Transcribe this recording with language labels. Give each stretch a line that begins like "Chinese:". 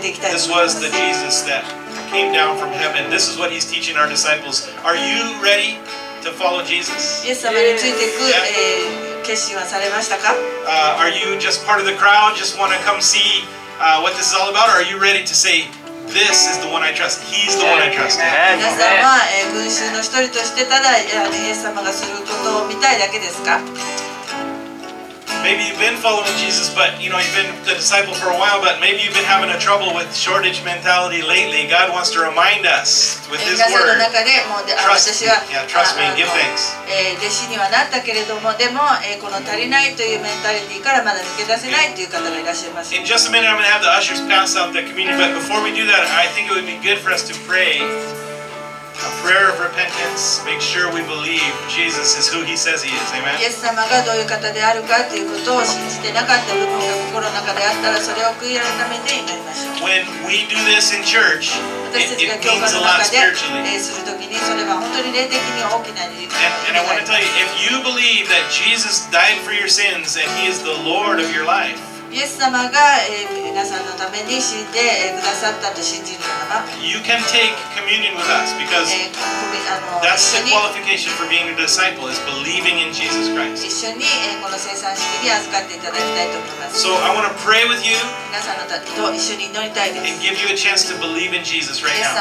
English: This was the Jesus that came down from heaven. This is what he's teaching our disciples. Are you ready to follow Jesus? Yes, I'm ready to follow Jesus.
Japanese: 決心はされましたか?
English: Are you just part of the crowd? Just want to come see what this is all about? Or are you ready to say, this is the one I trust? He's the one I trust.
Japanese: 皆さんは、群衆の一人としてただイエス様がすることを見たいだけですか?
English: Maybe you've been following Jesus, but you know, you've been the disciple for a while, but maybe you've been having a trouble with shortage mentality lately. God wants to remind us with His word. Trust, yeah, trust me, give thanks.
Japanese: 弟子にはなったけれども、でも、この足りないというメンタリティからまだ抜け出せないという方がいらっしゃいます。
English: In just a minute, I'm going to have the ushers pass out the communion, but before we do that, I think it would be good for us to pray a prayer of repentance. Make sure we believe Jesus is who He says He is. Amen.
Japanese: イエス様がどういう方であるかということを信じてなかった部分が心の中であったら、それを悔い改めて祈りましょう。
English: When we do this in church, it means a lot spiritually.
Japanese: するときにそれは本当に霊的に大きな意味があります。
English: And I want to tell you, if you believe that Jesus died for your sins and He is the Lord of your life.
Japanese: イエス様が、皆さんのために死んで、くださったと信じるならば、
English: You can take communion with us because that's the qualification for being a disciple is believing in Jesus Christ.
Japanese: 一緒に、この聖餐式に預かっていただきたいと思います。
English: So I want to pray with you.
Japanese: 皆さんのと一緒に祈りたいです。
English: And give you a chance to believe in Jesus right now.